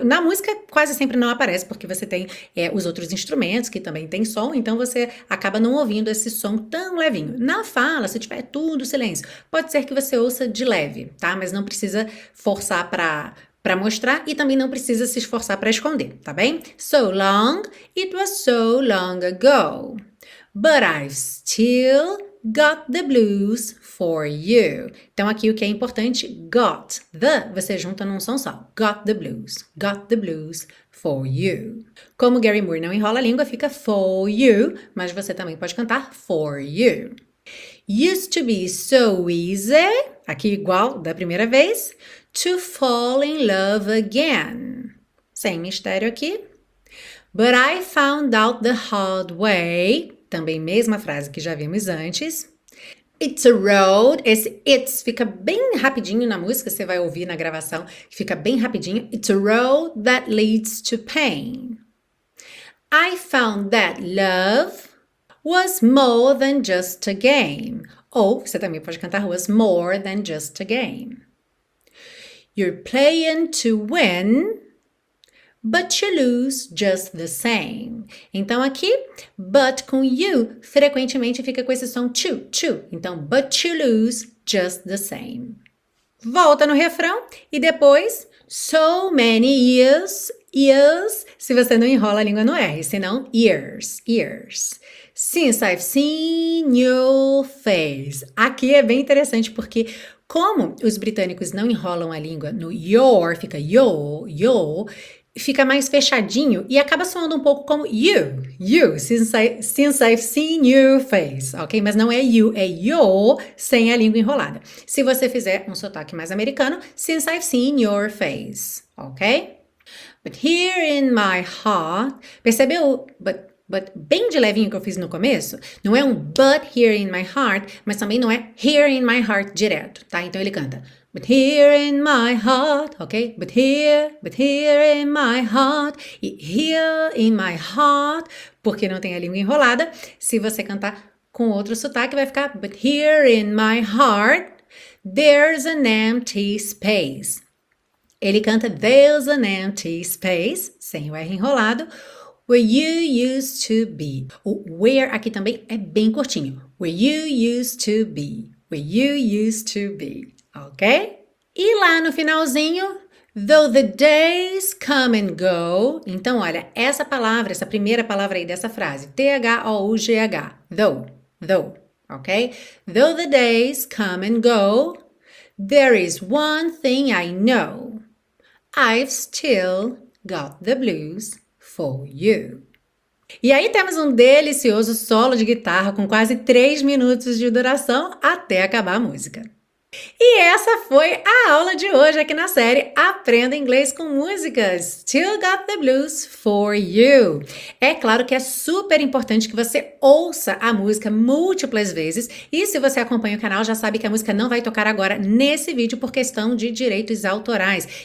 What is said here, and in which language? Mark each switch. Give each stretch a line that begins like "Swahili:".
Portuguese: Na música quase sempre não aparece, porque você tem os outros instrumentos que também tem som, então você acaba não ouvindo esse som tão levinho. Na fala, se tiver tudo silêncio, pode ser que você ouça de leve, tá? Mas não precisa forçar para mostrar e também não precisa se esforçar para esconder, tá bem?
English: So long, it was so long ago. But I've still got the blues for you.
Portuguese: Então aqui o que é importante,
English: got the,
Portuguese: você junta num som só.
English: Got the blues for you.
Portuguese: Como Gary Moore não enrola a língua, fica
English: for you,
Portuguese: mas você também pode cantar for you.
English: Used to be so easy,
Portuguese: aqui igual da primeira vez,
English: to fall in love again.
Portuguese: Sem mistério aqui.
English: But I found out the hard way.
Portuguese: Também mesma frase que já vimos antes.
English: It's a road.
Portuguese: Esse it's fica bem rapidinho na música, você vai ouvir na gravação, fica bem rapidinho.
English: It's a road that leads to pain. I found that love was more than just a game.
Portuguese: Ou você também pode cantar
English: was more than just a game. You're playing to win. But you lose just the same.
Portuguese: Então aqui, but com you frequentemente fica com esse som to. Então,
English: but you lose just the same.
Portuguese: Volta no refrão e depois,
English: so many years, years,
Portuguese: se você não enrola a língua no R, senão
English: years, years. Since I've seen your face.
Portuguese: Aqui é bem interessante porque, como os britânicos não enrolam a língua no your, fica
English: your, your.
Portuguese: fica mais fechadinho e acaba soando um pouco como you,
English: since I've seen your face,
Portuguese: ok? Mas não é you, é yo, sem a língua enrolada. Se você fizer um sotaque mais americano,
English: since I've seen your face,
Portuguese: ok?
English: But here in my heart,
Portuguese: percebeu? But bem de levinho que eu fiz no começo, não é um
English: but here in my heart,
Portuguese: mas também não é
English: here in my heart
Portuguese: direto, tá? Então ele canta.
English: But here in my heart, ok? But here in my heart, e here in my heart,
Portuguese: porque não tem a língua enrolada, se você cantar com outro sotaque, vai ficar
English: but here in my heart, there's an empty space.
Portuguese: Ele canta
English: there's an empty space,
Portuguese: sem o R enrolado,
English: where you used to be.
Portuguese: O where aqui também é bem curtinho.
English: Where you used to be, where you used to be.
Portuguese: Ok? E lá no finalzinho,
English: though the days come and go,
Portuguese: então olha, essa palavra, essa primeira palavra aí dessa frase, T-H-O-U-G-H, though, ok?
English: Though the days come and go, there is one thing I know, I've still got the blues for you.
Portuguese: E aí temos um delicioso solo de guitarra com quase 3 minutos de duração até acabar a música. E essa foi a aula de hoje aqui na série Aprenda Inglês com Músicas, Still Got the Blues for You. É claro que é super importante que você ouça a música múltiplas vezes e se você acompanha o canal já sabe que a música não vai tocar agora nesse vídeo por questão de direitos autorais.